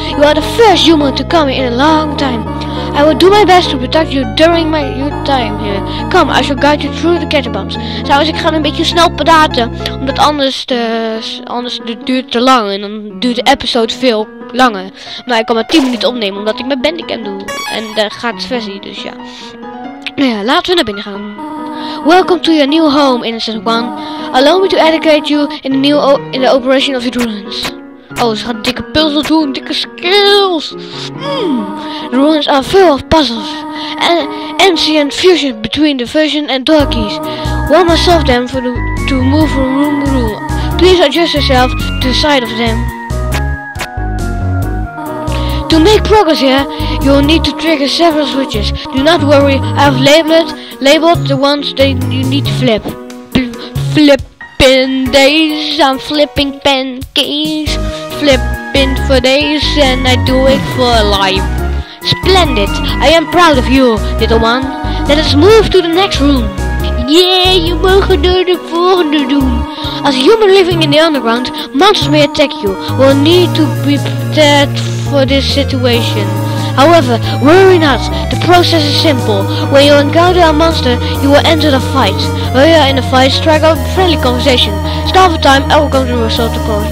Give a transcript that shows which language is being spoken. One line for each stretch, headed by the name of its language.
English: You are the first human to come here in a long time. I will do my best to protect you during your time here. Come, I shall guide you through the catacombs.
Dutch: Trouwens, ik ga een beetje snel praten, omdat anders duurt het te lang en dan duurt de episode veel langer. Maar ik kan maar 10 minuten opnemen, omdat ik mijn bandicam doe. En de gratis versie, dus ja. Nou ja, laten we naar binnen gaan.
English: Welcome to your new home, Innocent One. Allow me to educate you in the new in the operation of your ruins.
Dutch: Oh, ze gaat dikke puzzels doen, dikke skills.
English: The ruins are full of puzzles. And ancient fusion between the version and door keys. One must solve them to move from room to room. Please adjust yourself to the side of them. To make progress here, you will need to trigger several switches. Do not worry, I have labeled the ones that you need to flip. Flipping days, I'm flipping pancakes. Flipping for days and I do it for life. Splendid! I am proud of you, little one. Let us move to the next room.
Dutch: Yeah, you mogen door de volgende doen.
English: As a human living in the underground, monsters may attack you. We'll need to be prepared for this situation. However, worry not, the process is simple. When you encounter a monster, you will enter the fight. When you are in the fight, strike up a friendly conversation. Start the time, I will go to the result to call.